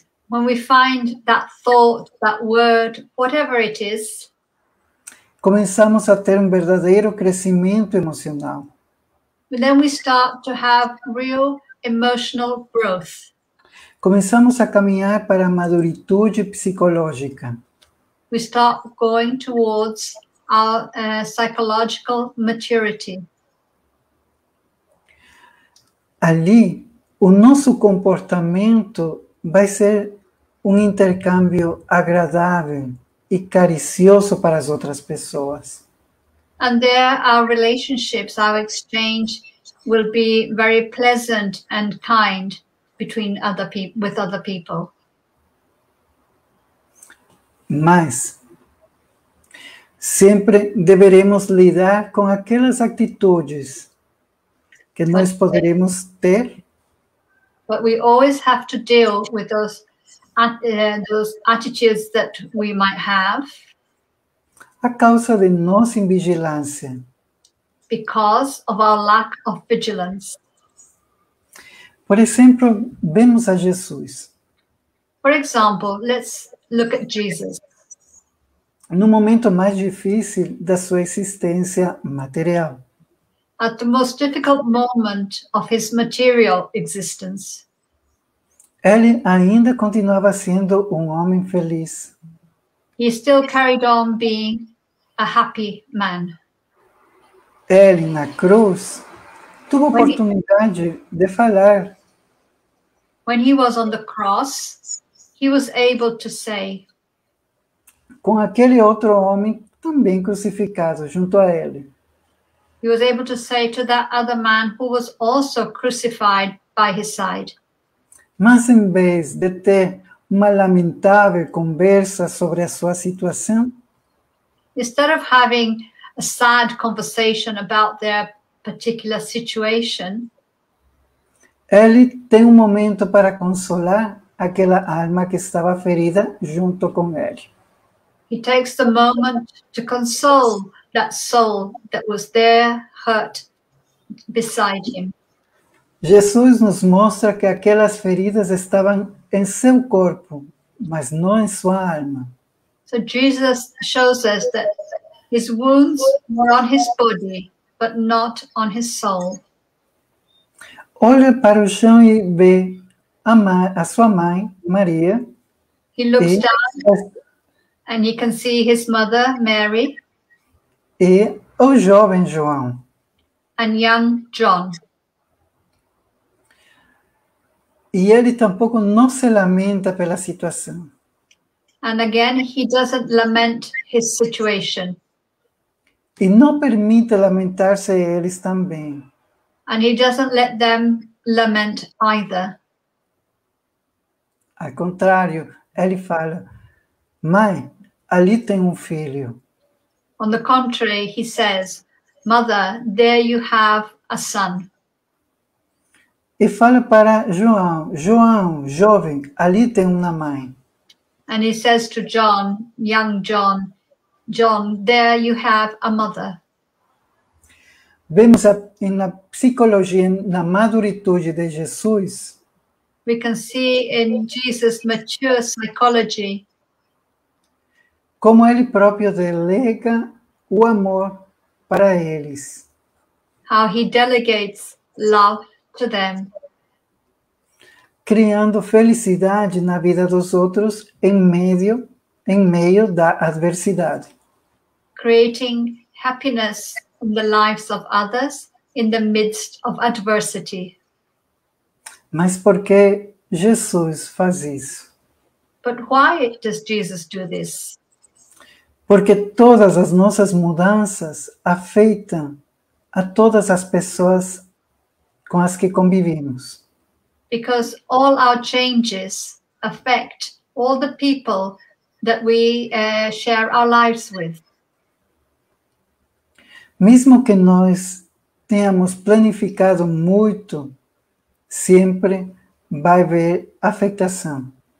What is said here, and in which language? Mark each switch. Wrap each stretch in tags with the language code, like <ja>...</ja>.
<en>when we find that thought, that word, whatever it is,</en> <pt>começamos a ter verdadeiro crescimento emocional.</pt> <en>Then we start to have real emotional growth.</en> <pt>Começamos a caminhar para a maturidade psicológica.</pt> <en>We start going towards our psychological maturity.</en> <pt>Ali, o nosso comportamento vai ser intercâmbio agradável e caricioso para as outras pessoas.</pt> <en>And there, our relationships, our exchange will be very pleasant and kind between other people, with other people.</en> <pt>Mas sempre deveremos lidar com aquelas atitudes que nós poderemos ter.</pt> <en>But we always have to deal with those attitudes that we might have.</en> <pt>A causa de nossa invigilância.</pt> <en>Because of our lack of vigilance.</en> <pt>Por exemplo, vemos a Jesus.</pt> <en>For example, let's look at Jesus.</en> <pt>No momento mais difícil da sua existência material.</pt> <en>At the most difficult moment of his material existence.</en> <pt>Ele ainda continuava sendo homem feliz.</pt> <en>He still carried on being a happy man.</en> <pt>Ele, na cruz, tuvo oportunidade de falar.</pt> <en>When he was on the cross, he was able to say.</en> <pt>Com aquele outro homem também crucificado junto a ele.</pt> <en>He was able to say to that other man who was also crucified by his side.</en> <pt>Mas em vez de ter uma lamentável conversa sobre a sua situação,</pt> <en>instead of having a sad conversation about their particular situation,</en> <pt>ele tem momento para consolar aquela alma que estava ferida junto com ele.</pt> <en>He takes the moment to console that soul that was there hurt beside him.</en> <pt>Jesus nos mostra que aquelas feridas estavam em seu corpo, mas não em sua alma.</pt> <en>So Jesus shows us that his wounds were on his body, but not on his soul.</en> <pt>Olha para o chão e vê a sua mãe, Maria.</pt> <en>He looks down and he can see his mother, Mary.</en> <pt>E o jovem João.</pt> <en>And young John.</en> <pt>E ele tampouco não se lamenta pela situação.</pt> <en>And again, he doesn't lament his situation.</en> <pt>E não permite lamentar-se eles também.</pt> <en>And he doesn't let them lament either.</en> <pt>Ao contrário, ele fala, mãe, ali tem filho.</pt> <en>On the contrary, he says, mother, there you have a son.</en> <pt>E fala para João, João, jovem, ali tem mãe.</pt> <en>And he says to John, young John, John, there you have a mother.</en> <pt>Vemos na psicologia, na maturidade de Jesus.</pt> <en>We can see in Jesus' mature psychology.</en> <pt>Como ele próprio delega o amor para eles.</pt> <en>How he delegates love to them.</en> <pt>Criando felicidade na vida dos outros em meio da adversidade.</pt> <en>Creating happiness in the lives of others in the midst of adversity.</en> <pt>Mas por que Jesus faz isso?</pt> <en>But why does Jesus do this?</en> <pt>Porque todas as nossas mudanças afetam a todas as pessoas com as que convivimos.</pt> <en>Because all our changes affect all the people that we share our lives with.</en> <pt>Mesmo que nós tenhamos planificado muito, sempre vai haver afetação.</pt>